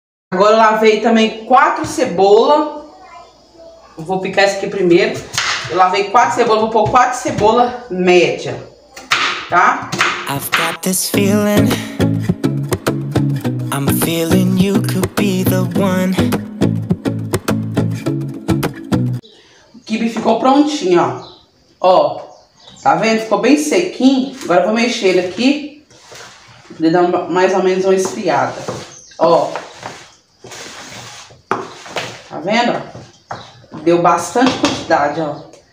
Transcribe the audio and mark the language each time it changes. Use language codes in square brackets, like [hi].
[pt] Agora eu lavei também 4 cebolas. Vou picar essa aqui primeiro. Eu lavei 4 cebolas, vou pôr 4 cebolas média, tá? [en] I've got this feeling. I'm feeling you could be the one. [pt] O kibe ficou prontinho, ó. Ó, tá vendo? Ficou bem sequinho. Agora eu vou mexer ele aqui. Vou dar mais ou menos uma esfriada. Ó. Tá vendo? Deu bastante quantidade, ó.